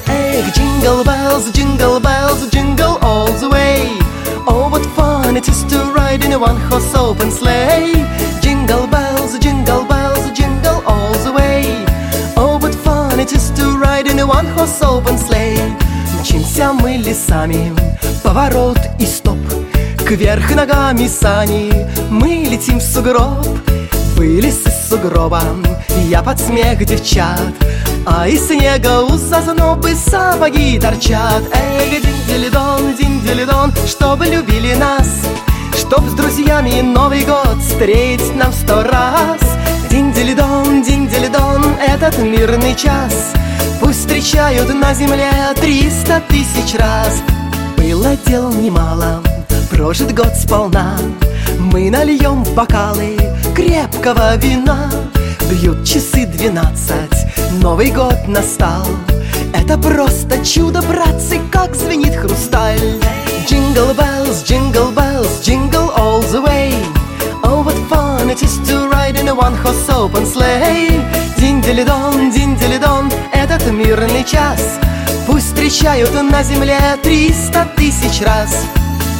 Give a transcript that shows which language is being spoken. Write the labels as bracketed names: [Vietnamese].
[English] Hey, jingle bells, jingle bells, jingle all the way. Oh, what fun it is to ride in a one-horse open sleigh. Jingle bells, jingle bells, jingle all the way. Oh, what fun it is to ride in a one-horse open sleigh. [Russian] Мчимся мы лесами, поворот и стоп. Кверх ногами сани, мы летим в сугроб. Вылез из сугроба я под смех девчат, а из снега у зазнобы сапоги торчат. Эй, динь-дили-дон, динь-дили-дон, чтоб любили нас, чтоб с друзьями Новый год встретить нам сто раз. Динь-дили-дон, динь-дили-дон, этот мирный час пусть встречают на земле 300 000 раз. Было дел немало, прожит год сполна. Мы нальем бокалы крепкого вина. Бьют часы 12, Новый год настал. Это просто чудо, братцы, как звенит хрусталь. [English] Jingle bells, jingle bells, jingle all the way. Oh, what fun it is to ride in a one-horse open sleigh. [Russian] Динь-дили-дон, динь-дили-дон, этот мирный час пусть встречают на земле 300 000 раз.